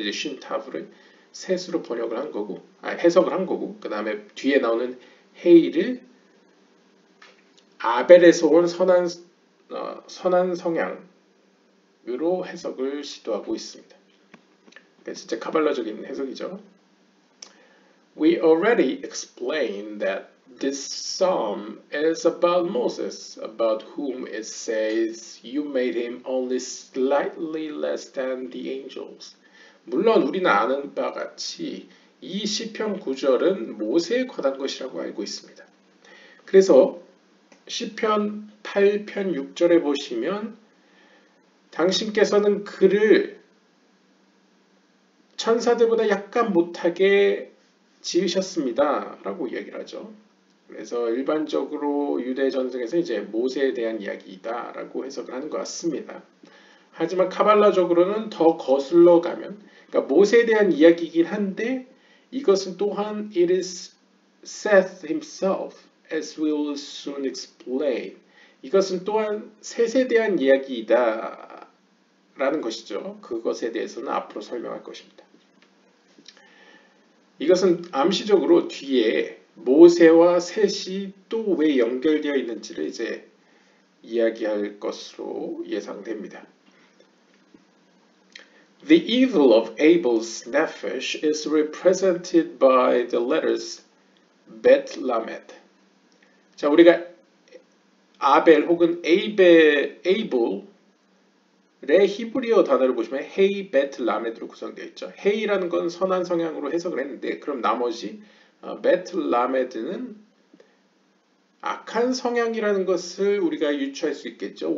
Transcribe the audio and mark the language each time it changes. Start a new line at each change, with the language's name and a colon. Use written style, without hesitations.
Korean: 이제 신, 타브를 셋으로 번역을 한 거고, 아, 해석을 한 거고, 그 다음에 뒤에 나오는 헤이를 아벨에서 온 선한 성향으로 해석을 시도하고 있습니다. 진짜 카발라적인 해석이죠.
English: We already explained that this psalm is about Moses, about whom it says you made him only slightly less than the angels.
Korean: 물론 우리는 아는 바 같이 이 시편 구절은 모세에 관한 것이라고 알고 있습니다. 그래서 시편 8편 6절에 보시면 당신께서는 그를 천사들보다 약간 못하게 지으셨습니다 라고 이야기를 하죠. 그래서 일반적으로 유대 전승에서 이제 모세에 대한 이야기이다 라고 해석을 하는 것 같습니다. 하지만 카발라적으로는 더 거슬러 가면, 그러니까 모세에 대한 이야기이긴 한데 이것은 또한
English: It is Seth himself as we will soon explain.
Korean: 이것은 또한 셋에 대한 이야기이다 라는 것이죠. 그것에 대해서는 앞으로 설명할 것입니다. 이것은 암시적으로 뒤에 모세와 셋이 또 왜 연결되어 있는지를 이제 이야기할 것으로 예상됩니다.
English: The evil of Abel's nephesh is represented by the letters Bet Lamed.
Korean: 자, 우리가 아벨 혹은 에이벨의 히브리어 단어를 보시면 헤이 베트 라멧으로 구성되어 있죠. 헤이라는 건 선한 성향으로 해석을 했는데 그럼 나머지 베트 라멧은 악한 성향이라는 것을 우리가 유추할 수 있겠죠.